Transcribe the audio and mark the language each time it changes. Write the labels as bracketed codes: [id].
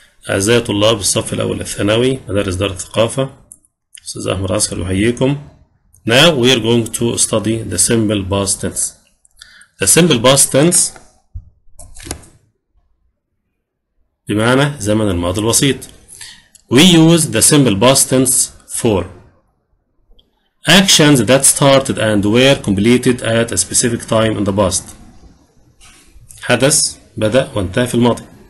[ar] أعزائي طلاب الصف الأول الثانوي مدارس دار الثقافة، أستاذ أحمد عسكر أحييكم. [en] Now we are going to study the simple past tense. The simple past tense [ar] بمعنى زمن الماضي البسيط. [en] We use the simple past tense for actions that started and were completed at a specific time in the past. [ar] حدث بدأ وانتهى في الماضي.